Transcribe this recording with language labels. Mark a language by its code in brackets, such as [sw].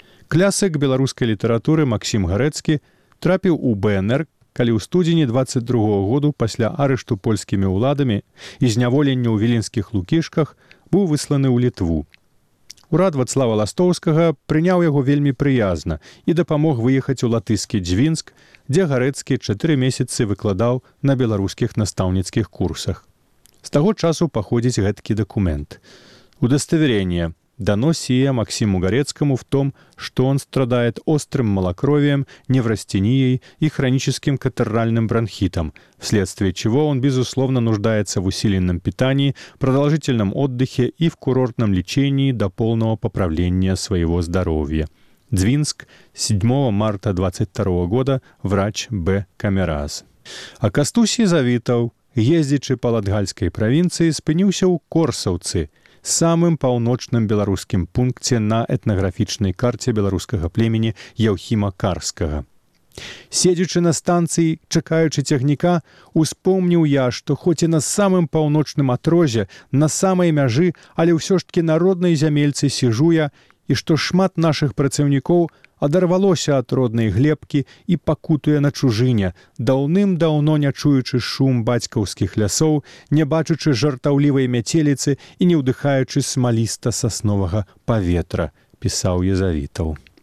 [be] Клясык беларускай літаратуры Максім Гарэцкі трапіў у БНР, калі ў студзені 22 году пасля арышту польскімі ўладамі і зняволення ў віленскіх лукішках быў высланы ў Літву. Урад Вацлава Ластоўскага прыняў яго вельмі прыязна і дапамог выехаць у латышскі Дзвінск, дзе Гарэцкі 4 месяцы выкладаў на беларускіх настаўніцкіх курсах. З таго часу паходзіць гэткі дакумент. Удаставерэнне. [ru] Даносіе Максіму Гарэцкаму в том, што он страдает острым малакровіем, неврастеніяй і хранічыскім катаральным бранхітам, вследствие чего он, безусловно, нуждается в усиленном питании, продолжительном отдыхе и в курортном лечении до полного поправления своего здоровья. Дзвінск, 7 марта 22 года, врач Б. Камераз. [be] А Кастусі Завітаў, ездзячы па Латгальскай правінцыі, спыніўся ў Корсаўцы, самым паўночным беларускім пункце на этнаграфічнай карце беларускага племені Яўхіма Карскага. Седзячы на станцыі, чакаючы цягніка, успомніў я, што хоць і на самым паўночным атрозе, на самай мяжы, але ўсё ж такі на роднай зямельцы сіжу я, і што шмат нашых працаўнікоў адарвалося ад роднай глебкі і пакутуе на чужыне, даўным-даўно не чуючы шум бацькаўскіх лясоў, не бачучы жартаўлівай мяцеліцы і не ўдыхаючы смаліста сасновага паветра, пісаў Езавітаў.